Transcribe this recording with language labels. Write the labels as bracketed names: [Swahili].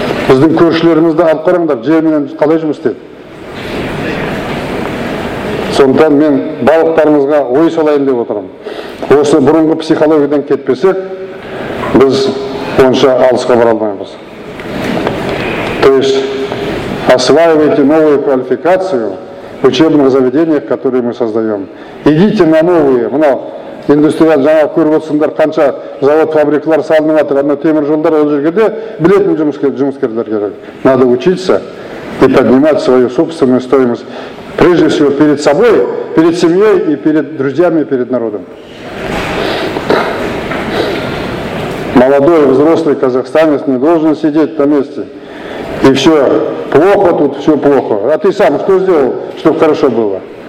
[Kazakh] Біздің көршілерімізді алып қараңдар, жерменен қалай жұмыс істейді. Сондықтан мен балықтарымызға ой салайын деп отырмын. Осы бұрынғы психологиядан кетпесек, біз онша алысқа бара алмаймыз. [Russian] То есть осваивайте новую квалификацию в учебных заведениях, которые мы создаем. Идите на новые. [Kazakh] Мына индустриал жаңа көріп отырсыңдар, қанша завод, фабрикалар салынып жатыр, ана темір жолдар, ол жерде білетін жұмыскерлер керек. [Russian] Надо учиться и поднимать свою собственную стоимость. Прежде всего перед собой, перед семьей и перед друзьями, и перед народом. Молодой, взрослый казахстанец не должен сидеть на месте. И все плохо тут, все плохо. А ты сам что сделал, чтобы хорошо было?